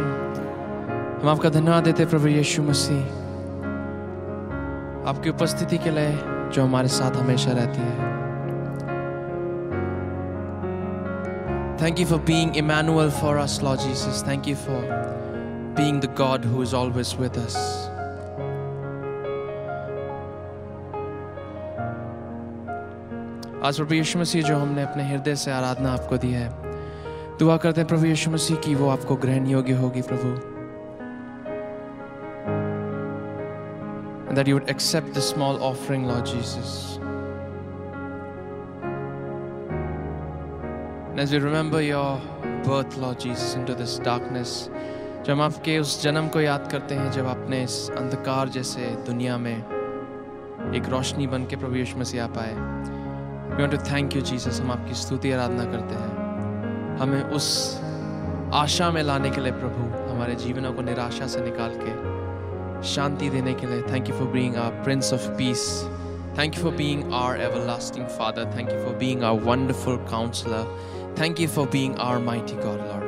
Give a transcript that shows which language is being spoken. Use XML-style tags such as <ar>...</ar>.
<hi>हम आपका धन्यवाद देते हैं प्रभु यीशु मसीह, आपकी उपस्थिति के लिए जो हमारे साथ हमेशा रहती है.</hi> <en>Thank you for being Emmanuel for us, Lord Jesus. Thank you for being the God who is always with us.</en> <hi>आज प्रभु यीशु मसीह जो हमने अपने हृदय से आराधना आपको दी है, दुआ करते हैं प्रभु यीशु मसीह की वो आपको ग्रहण योग्य होगी. प्रभु</hi> <en>and that you would accept this small offering, Lord Jesus. And as we remember your birth, Lord Jesus, into this darkness,</en> <hi>जब आपके उस जन्म को याद करते हैं जब आपने इस अंधकार जैसे दुनिया में एक रोशनी बन के प्रभु यीशु मसीह आ पाए,</hi> <en>we want to thank you Jesus,</en> <hi>हम आपकी स्तुति आराधना करते हैं, हमें उस आशा में लाने के लिए प्रभु, हमारे जीवनों को निराशा से निकाल के शांति देने के लिए,</hi> <en>Thank you for being our prince of peace, thank you for being our everlasting father, thank you for being our wonderful counsellor, thank you for being our mighty God.</en>